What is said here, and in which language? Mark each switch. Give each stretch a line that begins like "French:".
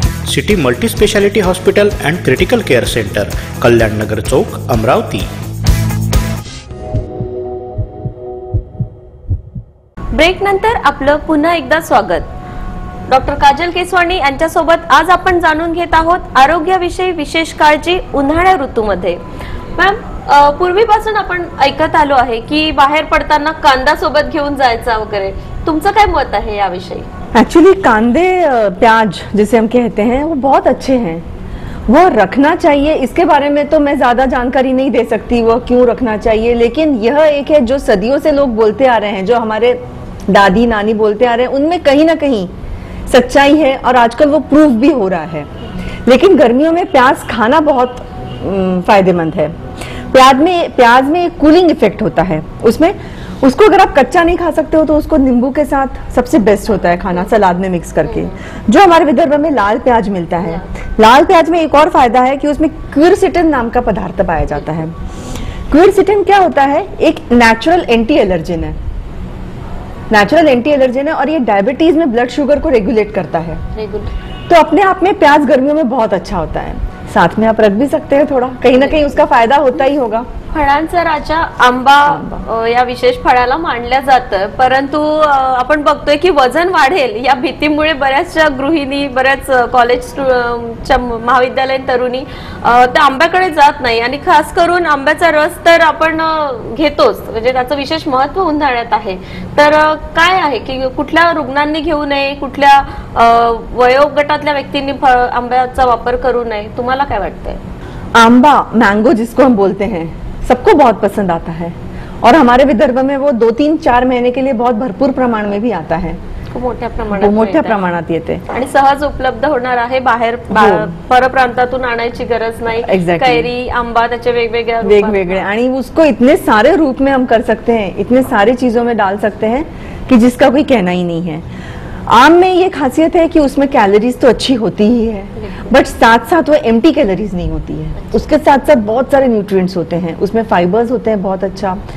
Marathi: City multi speciality hospital end critical care centre, कल्याण नगर चौक, Amravati. Break नंतर आपलं पुन्हा एकदा स्वागत. डॉक्टर काजल केसवाणी यांच्या सोबत आज आपण जाणून घेत आहोत आरोग्याविषयी विशेष काळजी उन्हाळ्या ऋतूमध्ये. मॅम, पूर्वीपासून आपण ऐकत आलो आहे की बाहेर पडताना कांदा सोबत घेऊन जायचा वगैरे, तुमचं काय मत आहे याविषयी?
Hindi: ऍक्च्युली कांदे, प्याज जिसे हम कहते हैं, वो बहुत अच्छे हैं, वो रखना चाहिए. इसके बारे में तो मैं ज्यादा जानकारी नहीं दे सकती वो क्यों रखना चाहिए, लेकिन यह एक है जो सदियों से लोग बोलते आ रहे हैं, जो हमारे दादी नानी बोलते आ रहे हैं, उनमें कहीं ना कहीं सच्चाई है और आजकल वो प्रूफ भी हो रहा है. लेकिन गर्मियों में प्याज खाना बहुत फायदेमंद है. प्याज में एक कूलिंग इफेक्ट होता है, उसमें उसको अगर आप कच्चा नहीं खा सकते हो तो उसको नींबू के साथ सबसे बेस्ट होता है खाना, सलाद में मिक्स करके। जो हमारे विदर्भ में लाल प्याज मिलता है, लाल प्याज में एक और फायदा है कि उसमें क्यूरसिटिन नाम का पदार्थ पाया जाता है। क्यूरसिटिन क्या होता है? एक नेचुरल एंटी एलर्जन है, नेचुरल एंटी एलर्जन है, और ये डायबिटीज में ब्लड शुगर को रेगुलेट करता है। तो अपने आप में प्याज गर्मियों में बहुत अच्छा होता है, साथ में आप रख भी सकते हैं, थोड़ा कहीं ना कहीं उसका फायदा होता ही होगा।
Marathi: फळांचा राजा आंबा या विशेष फळाला मानल्या जातं, परंतु आपण बघतोय की वजन वाढेल या भीतीमुळे बऱ्याचशा गृहिणी, बऱ्याच कॉलेजच्या महाविद्यालयीन तरुणी त्या आंब्याकडे जात नाही, आणि खास करून आंब्याचा रस तर आपण घेतोच, म्हणजे त्याचं विशेष महत्व उन्हाळ्यात आहे, तर काय आहे की कुठल्या रुग्णांनी घेऊ नये, कुठल्या वयोगटातल्या व्यक्तींनी आंब्याचा वापर करू नये, तुम्हाला काय वाटतंय?
Hindi: आंबा, मँगो जिसको हम बोलते हैं, सबको बहुत पसंद आता है, और हमारे विदर्भ में वो 2-3-4 महीने के लिए बहुत भरपूर प्रमाण में भी आता है,
Marathi: मोठ्या प्रमाणात येते आणि सहज उपलब्ध होणार आहे, बाहेर परप्रांतातून आणायची गरज नाही। कैरी, आंबा, त्याचे वेगवेगळे,
Hindi: आणि उसको इतने सारे रूप में हम कर सकते हैं, इतने सारे चीजों में डाल सकते हैं कि जिसका कोई कहना ही नहीं है। आम में ये खासियत है कि उसमें कैलोरीज तो अच्छी होती ही है, बट साथ साथ वो एम्प्टी कैलोरीज नहीं होती है, उसके साथ साथ बहुत सारे न्यूट्रिएंट्स होते हैं, उसमें फाइबर्स होते हैं बहुत अच्छा।